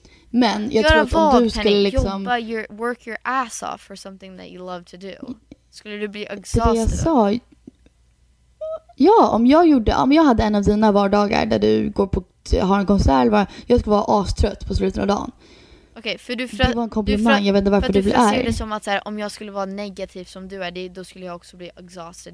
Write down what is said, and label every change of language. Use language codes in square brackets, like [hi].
[sv] Men jag tror att om du skulle liksom [en] work your ass off for something that you love to do. [sv] Skulle du bli exhausted? Det jag sa. Ja, om jag hade en av dina vardagar där du går på har en konsert, var jag skulle vara astrött på slutet av dagen. Okej, okay, för du det var en komplimang, jag vet inte varför du är. Ser det som att så här, om jag skulle vara negativ som du är, det, då skulle jag också bli exhausted.